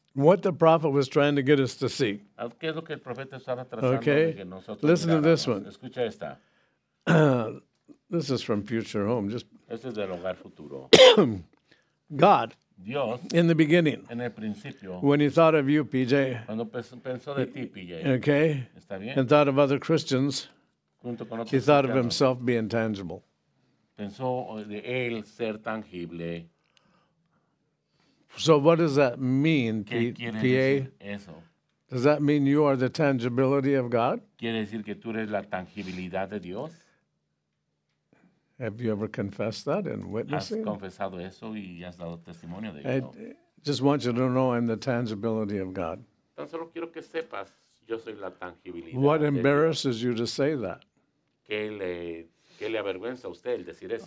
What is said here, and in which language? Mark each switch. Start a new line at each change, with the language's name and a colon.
English: What the prophet was trying to get us to see.
Spanish: ¿Qué es lo que el profeta estaba tratando de que nosotros miráramos?
English: Okay. Listen to this one.
Spanish: Escucha esta.
English: This is from Future Home. Just.
Spanish: Este es del hogar futuro.
English: God.
Spanish: Dios.
English: In the beginning.
Spanish: En el principio.
English: When he thought of you, PJ.
Spanish: Cuando pensó de ti, PJ.
English: Okay.
Spanish: Está bien.
English: And thought of other Christians.
Spanish: Junto con otros
English: he thought of himself being tangible.
Spanish: Pensó de él ser tangible.
English: So what does that mean, PA?
Spanish: Eso?
English: Does that mean you are the tangibility of God?
Spanish: ¿Quiere decir que tú eres la tangibilidad de Dios?
English: Have you ever confessed that in witnessing?
Spanish: ¿Has confesado eso y has dado testimonio de ello?
English: I just want you to know I'm the tangibility of God.
Spanish: Tan solo quiero que sepas, yo soy la tangibilidad.
English: What embarrasses you to say that?
Spanish: ¿Qué le avergüenza a usted el decir eso?